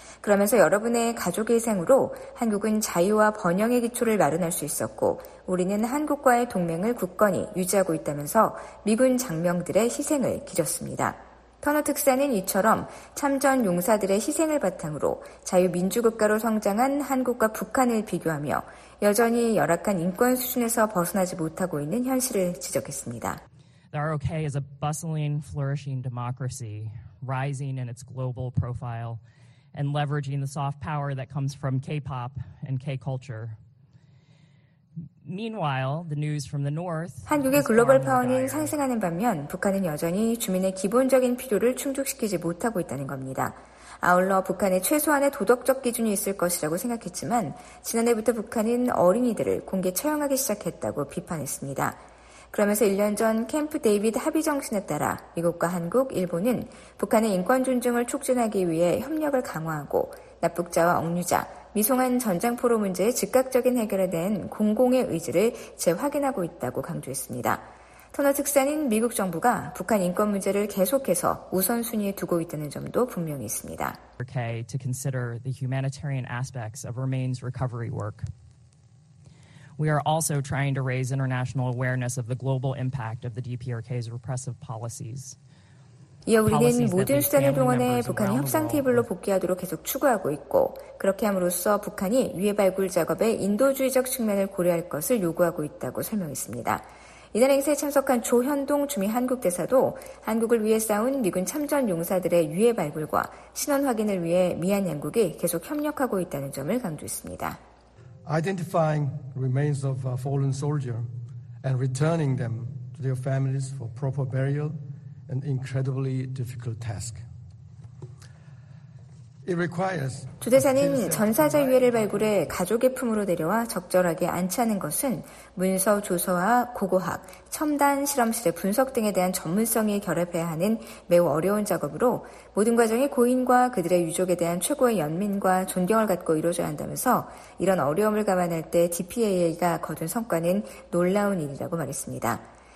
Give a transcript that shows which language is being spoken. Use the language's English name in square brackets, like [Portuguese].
[Korean] 그러면서 여러분의 가족의 희생으로 한국은 자유와 번영의 기초를 마련할 수 있었고 우리는 한국과의 동맹을 굳건히 유지하고 있다면서 미군 장병들의 희생을 기렸습니다. 터너 특사는 이처럼 참전 용사들의 희생을 바탕으로 자유민주국가로 성장한 한국과 북한을 비교하며 여전히 열악한 인권 수준에서 벗어나지 못하고 있는 현실을 지적했습니다. [English] The ROK is a bustling, flourishing democracy, rising in its global profile and leveraging the soft power that comes from K-pop and K-culture. Meanwhile, the news from the north. [Korean] 한국의 글로벌 파워는 상승하는 반면 북한은 여전히 주민의 기본적인 필요를 충족시키지 못하고 있다는 겁니다. 아울러 북한에 최소한의 도덕적 기준이 있을 것이라고 생각했지만 지난해부터 북한은 어린이들을 공개 처형하기 시작했다고 비판했습니다. 그러면서 1년 전 캠프 데이비드 합의 정신에 따라 미국과 한국, 일본은 북한의 인권 존중을 촉진하기 위해 협력을 강화하고 납북자와 억류자, 미송한 전장포로 문제의 즉각적인 해결에 대한 공공의 의지를 재확인하고 있다고 강조했습니다. 터너 특사는 미국 정부가 북한 인권 문제를 계속해서 우선순위에 두고 있다는 점도 분명히 있습니다. [English] Okay, to consider the humanitarian aspects of remains recovery work. We are also trying to raise international awareness of the global impact of the DPRK's repressive policies. [Korean] 이어 우리는 모든 수단을 동원해 북한이 협상 테이블로 복귀하도록 계속 추구하고 있고 그렇게 함으로써 북한이 유해 발굴 작업의 인도주의적 측면을 고려할 것을 요구하고 있다고 설명했습니다. 이날 행사에 참석한 조현동 주미 한국대사도 한국을 위해 싸운 미군 참전 용사들의 유해 발굴과 신원 확인을 위해 미한 양국이 계속 협력하고 있다는 점을 강조했습니다. [English] Identifying remains of a fallen soldier and returning them to their families for proper burial an incredibly difficult task. It requires [Korean] 조 대사는 전사자 유해를 발굴해 가족의 품으로 데려와 적절하게 안치하는 것은 문서 조서와 고고학, 첨단 실험실의 분석 등에 대한 전문성이 결합해야 하는 매우 어려운 작업으로 모든 과정이 고인과 그들의 유족에 대한 최고의 연민과 존경을 갖고 이루어져야 한다면서 이런 어려움을 감안할 때 DPAA가 거둔 성과는 놀라운 일이라고 말했습니다.